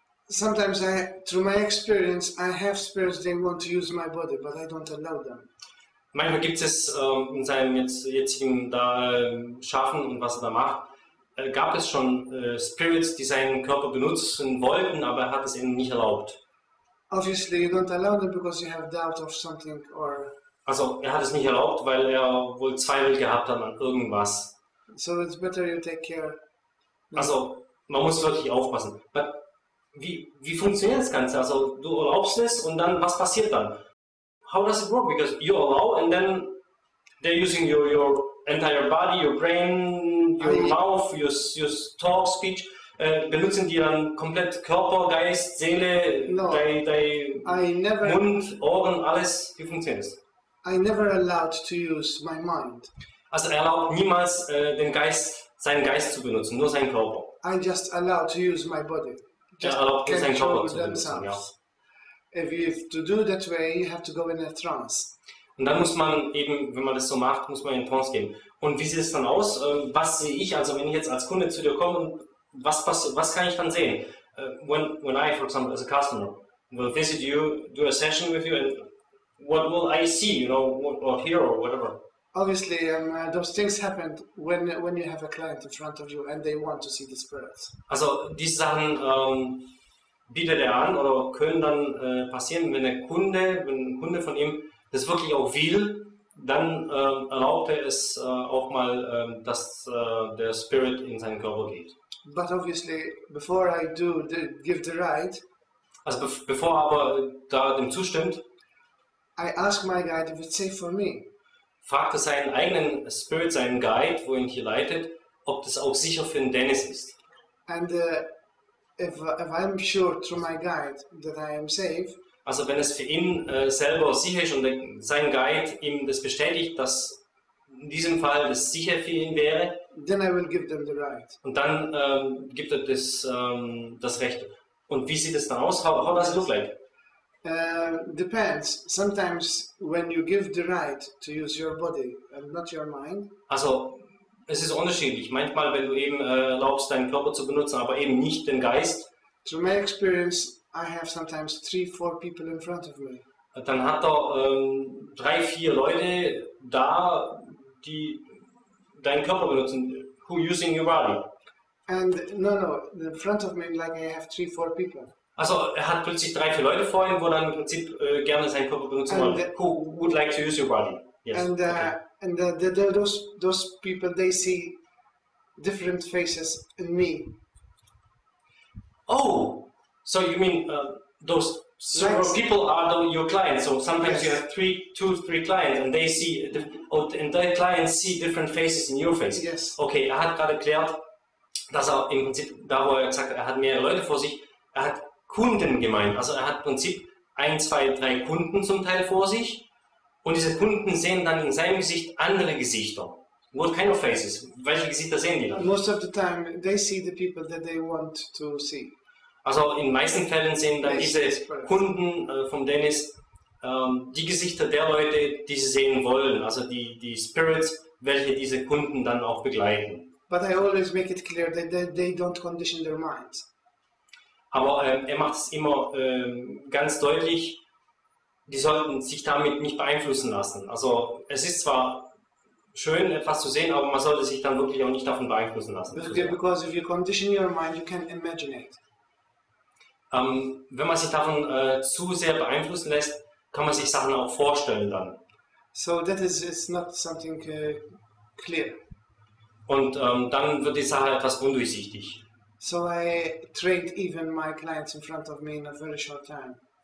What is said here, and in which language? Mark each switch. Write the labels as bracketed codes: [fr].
[en] Sometimes I, through my experience, I have spirits they want to use my body, but I don't allow them. [de] Manchmal gibt es in seinem jetzigen Schaffen und was er da macht, gab es schon Spirits, die seinen Körper benutzen wollten, aber er hat es ihnen nicht erlaubt. [en] Obviously, you don't allow them because you have doubt of something or [de] Also, er hat es nicht erlaubt, weil er wohl Zweifel gehabt hat an irgendwas. [en] so it's better you take care now. [de] Also, man muss wirklich aufpassen. Aber wie funktioniert das Ganze? Also, du erlaubst es und dann, was passiert dann? [en] How does it work? Because you allow and then they're using your entire body, your brain, your mouth, your talk, speech. [de] Benutzen die dann komplett Körper, Geist, Seele, [en] No, [de] dein Mund, Ohren, alles? Wie funktioniert das? [en] I never allowed to use my mind. [de] Also er erlaubt niemals seinen Geist zu benutzen, nur seinen Körper. [en] I just allowed to use my body. [de] Er [en] Just [de] erlaubt nur seinen Körper [en] control [de] zu benutzen, ja. [en] themselves. If you have to do that way, you have to go in a trance. [de] Und dann muss man eben, wenn man das so macht, muss man in Trance gehen. Und wie sieht es dann aus? Was sehe ich, also wenn ich jetzt als Kunde zu dir komme, was kann ich dann sehen? [en] When I, for example, as a customer, will visit you, do a session with you, and what will I see, you know, or hear, or whatever? Obviously, those things happen when you have a client in front of you and they want to see the spirits. [de] Also, diese Sachen bietet er an oder können dann passieren, wenn ein Kunde von ihm das wirklich auch will, dann erlaubt er es auch mal, dass der Spirit in seinen Körper geht. [en] But obviously, before I do the, give the right, [de] Also, bevor aber da dem zustimmt, [en] I ask my guide if it's safe for me. [de] fragte seinen eigenen Spirit, seinen Guide, wo ihn hier leitet, ob das auch sicher für den Dennis ist. [en] And if I'm sure through my guide that I am safe, [de] Also wenn es für ihn selber sicher ist und sein Guide ihm das bestätigt, dass, in diesem Fall das sicher für ihn wäre. [en] Then I will give them the right. [de] Und dann gibt er das, das Recht. Und wie sieht es dann aus? [en] How does it look like? Depends. Sometimes when you give the right to use your body and not your mind. [de] Also, es ist unterschiedlich. Manchmal, wenn du eben erlaubst, deinen Körper zu benutzen, aber eben nicht den Geist. [en] Through my experience, I have sometimes 3-4 people in front of me. [de] Dann hat er 3-4 Leute da, die deinen Körper benutzen, [en] who using your body. And no, in front of me, like I have 3-4 people. [de] Also er hat plötzlich 3-4 Leute vor ihm, wo dann im Prinzip gerne seinen Körper benutzen [en] and wollen. Who would like to use your body? Yes. And, okay. And those people, they see different faces in me. Oh, so you mean those several like, people are your clients? So sometimes yes. You have two, three clients, and they see and their clients see different faces in your face. Yes. [de] Okay, er hat gerade erklärt, dass er im Prinzip da, wo er gesagt hat, er hat mehrere Leute vor sich, er hat Kunden gemeint. Also er hat im Prinzip 1, 2, 3 Kunden zum Teil vor sich. Und diese Kunden sehen dann in seinem Gesicht andere Gesichter. [en] What kind of faces? [de] Welche Gesichter sehen die dann? [en] Most of the time they see the people that they want to see. [de] Also in meisten Fällen sehen dann diese Kunden von Dennis die Gesichter der Leute, die sie sehen wollen. Also die Spirits, welche diese Kunden dann auch begleiten. [en] But I always make it clear that they don't condition their minds. [de] Aber er macht es immer ganz deutlich, die sollten sich damit nicht beeinflussen lassen. Also es ist zwar schön, etwas zu sehen, aber man sollte sich dann wirklich auch nicht davon beeinflussen lassen. [en] Because if you condition your mind, you can imagine it. [de] Wenn man sich davon zu sehr beeinflussen lässt, kann man sich Sachen auch vorstellen dann. [en] So that is it's not something clear. [de] Und dann wird die Sache etwas undurchsichtig. [en] So I trained even my clients in front of me in a very short time.